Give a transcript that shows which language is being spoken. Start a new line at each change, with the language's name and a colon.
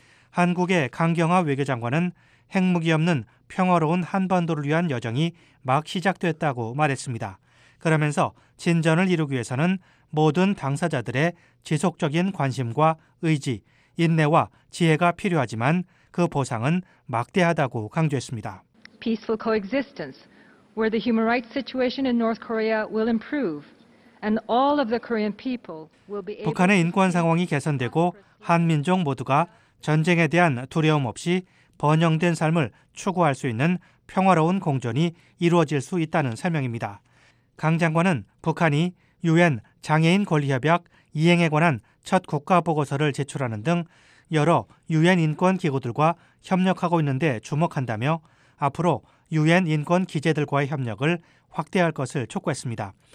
Korean: 한국의 강경화 외교장관은 핵무기 없는 평화로운 한반도를 위한 여정이 막 시작됐다고 말했습니다. 그러면서 진전을 이루기 위해서는 모든 당사자들의 지속적인 관심과 의지, 인내와 지혜가 필요하지만 그 보상은 막대하다고 강조했습니다.
English: Peaceful coexistence where the human rights situation in North Korea will improve and all of the Korean people will be able.
Korean: 북한의 인권 상황이 개선되고 한민족 모두가 전쟁에 대한 두려움 없이 번영된 삶을 추구할 수 있는 평화로운 공존이 이루어질 수 있다는 설명입니다. 강 장관은 북한이 UN 장애인 권리협약 이행에 관한 첫 국가보고서를 제출하는 등 여러 UN 인권기구들과 협력하고 있는데 주목한다며 앞으로 UN 인권기재들과의 협력을 확대할 것을 촉구했습니다.